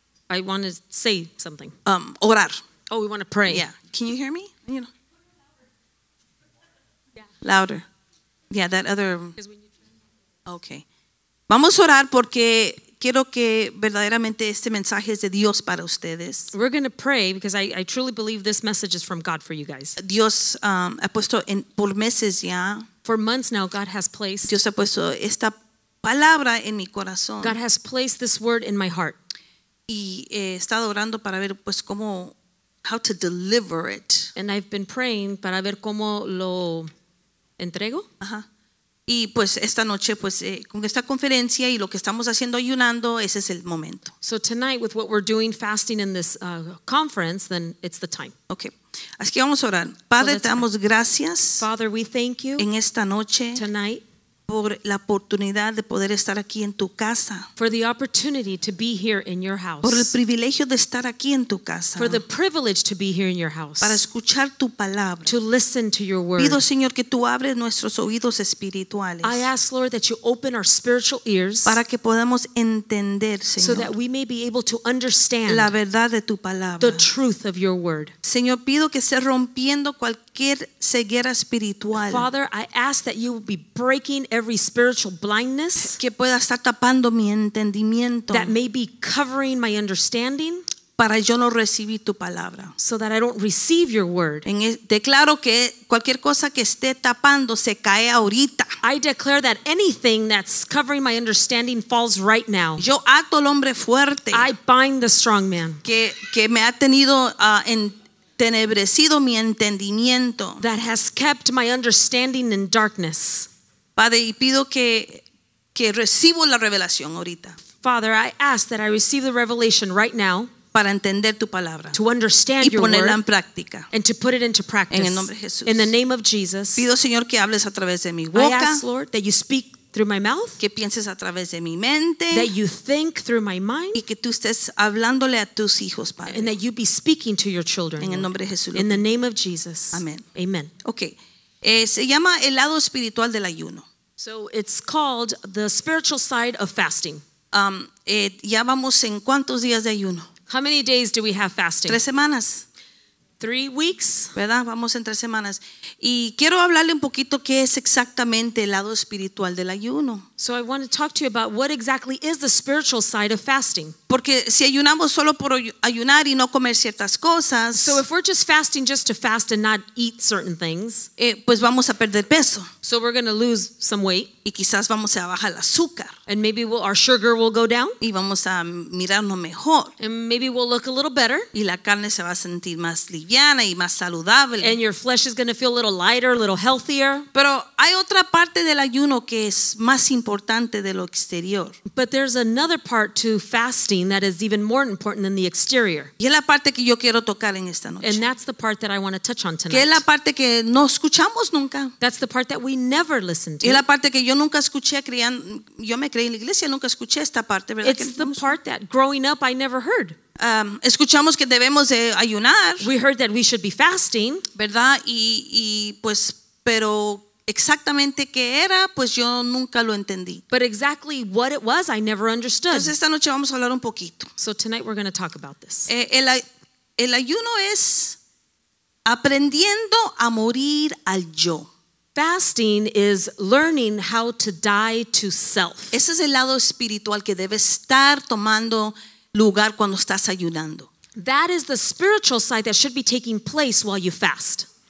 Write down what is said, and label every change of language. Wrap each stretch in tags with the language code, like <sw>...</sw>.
<en>I want to say something.</en> <es>Orar.</es> <en>Oh, we want to pray. Yeah. Can you hear me? You know. Yeah. Louder. Yeah, that other. Okay.</en> <es>Vamos a orar porque quiero que verdaderamente este mensaje es de Dios para ustedes.</es> <en>We're going to pray because I truly believe this message is from God for you guys.</en> <es>Dios ha puesto en, por meses ya.</es> <en>For months now, God has placed.</en> <es>Dios ha puesto esta palabra en mi corazón.</es> <en>God has placed this word in my heart.</en> <es>Y he estado orando para ver pues cómo,</es> <en>how to deliver it. And I've been praying</en> <es>para ver cómo lo entrego. Ajá. Y pues esta noche pues con esta conferencia y lo que estamos haciendo ayunando, ese es el momento.</es> <en>So tonight with what we're doing fasting in this conference, then it's the time.</en> <es>Okay. Así que vamos a orar. Padre, te damos gracias.</es> <en>Father, we thank you.</en> <es>En esta noche.</es> <en>Tonight.</en> <es>Por la oportunidad de poder estar aquí en tu casa.</es> <en>For the opportunity to be here in your house.</en> <es>Por el privilegio de estar aquí en tu casa.</es> <en>For the privilege to be here in your house.</en> <es>Para escuchar tu palabra.</es> <en>To listen to your word.</en> <es>Pido, Señor, que tú abres nuestros oídos espirituales.</es> <en>I ask, Lord, that you open our spiritual ears.</en> <es>Para que podamos entender, Señor.</es> <en>So that we may be able to understand.</en> <es>La verdad de tu palabra.</es> <en>The truth of your word.</en> <es>Señor, pido que esté rompiendo cualquier ceguera espiritual.</es> <en>Father, I ask that you will be breaking every spiritual blindness</en> <es>que pueda estar tapando mi entendimiento,</es> <en>that may be covering my understanding,</en> <es>para yo no recibir tu palabra,</es> <en>so that I don't receive your word.</en> <es>Declaro que cualquier cosa que esté tapando se cae ahorita.</es> <en>I declare that anything that's covering my understanding falls right now.</en> <es>Yo ato al hombre fuerte.</es> <en>I bind the strong man</en> <es>que me ha tenido en tenebrecido mi entendimiento,</es> <en>that has kept my understanding in darkness.</en> <es>Padre, y pido que recibo la revelación ahorita.</es> <en>Father, I ask that I receive the revelation right now.</en> <es>Para entender tu palabra.</es> <en>To understand your word.</en> <es>Y ponerla en práctica.</es> <en>And to put it into practice.</en> <es>En el nombre de Jesús.</es> <en>In the name of Jesus.</en> <es>Pido, Señor, que hables a través de mi boca.</es> <en>I ask, Lord, that you speak through my mouth.</en> <es>Que pienses a través de mi mente.</es> <en>That you think through my mind.</en> <es>Y que tú estés hablándole a tus hijos, Padre.</es> <en>And that you be speaking to your children.</en> <es>En el nombre de Jesús.</es> <en>In the name of Jesus.</en> <es>Amén.</es> <en>Amen.</en> <es>Okay. Se llama el lado espiritual del ayuno.</es> <en>So it's called the spiritual side of fasting.</en> <es>Ya vamos en cuántos días de ayuno.</es> <en>How many days do we have fasting?</en> <es>Tres semanas.</es> <en>3 weeks,</en> <es>¿verdad? Vamos en 3 semanas. Y quiero hablarle un poquito qué es exactamente el lado espiritual del ayuno.</es> <en>So I want to talk to you about what exactly is the spiritual side of fasting.</en> <es>Porque si ayunamos solo por ayunar y no comer ciertas cosas,</es> <en>so if we're just fasting just to fast and not eat certain things,</en> <es>pues vamos a perder peso.</es> <en>So we're going to lose some weight.</en> <es>Y quizás vamos a bajar el azúcar.</es> <en>And maybe our sugar will go down.</en> <es>Y vamos a mirarnos mejor.</es> <en>And maybe we'll look a little better.</en> <es>Y la carne se va a sentir más liviana y más saludable.</es> <en>And your flesh is going to feel a little lighter, a little healthier.</en> <es>Pero hay otra parte del ayuno que es más importante de lo exterior.</es> <en>But there's another part to fasting that is even more important than the exterior.</en> <es>Y es la parte que yo quiero tocar en esta noche.</es> <en>And that's the part that I want to touch on tonight.</en> <es>Que es la parte que no escuchamos nunca.</es> <en>That's the part that we never listened to.</en> <es>Y es la parte que yo nunca escuché criando. Yo me creí en la iglesia, nunca escuché esta parte, ¿verdad?</es> <en>It's the part that growing up I never heard.</en> <es>Escuchamos que debemos de ayunar.</es> <en>We heard that we should be fasting,</en> <es>¿verdad? Y pues, pero exactamente qué era, pues yo nunca lo entendí.</es> <en>But exactly what it was, I never understood.</en> <es>Entonces esta noche vamos a hablar un poquito.</es> <en>So tonight we're going to talk about this.</en> <es>El ayuno es aprendiendo a morir al yo.</es> <en>Fasting is learning how to die to self.</en> <es>Ese es el lado espiritual que debe estar tomando lugar cuando estás ayunando.</es> <en>That is the spiritual side that should be taking place while you fast.</en>